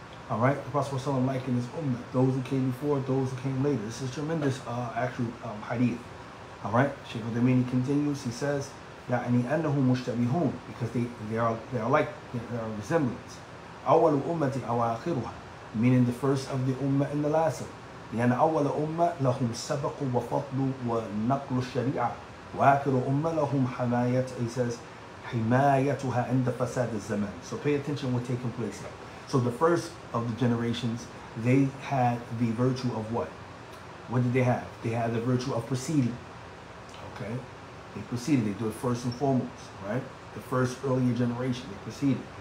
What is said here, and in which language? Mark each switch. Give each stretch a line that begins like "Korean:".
English: All right, the Prophet ﷺ likened his ummah, those who came before, those who came later. This is a tremendous actual hadith. All right, Sheikh Uthaymeen continues. He says,
Arabic: يعني أنه مشتبهون,
English: because they are resemblance.
Arabic: أول أمتي أو آخرها,
English: meaning the first of the ummah and the last of it.
Arabic: لأن أول أمة لهم سبق وفضل ونقل الشريعة وآخر أمة لهم حماية,
English: he says,
Arabic: حمايتها عند فساد الزمان.
English: So pay attention what's taking place here. So the first of the generations, they had the virtue of what? What did they have? They had the virtue of proceeding. Okay? They proceeded. They do it first and foremost, right? The first earlier generation, they proceeded.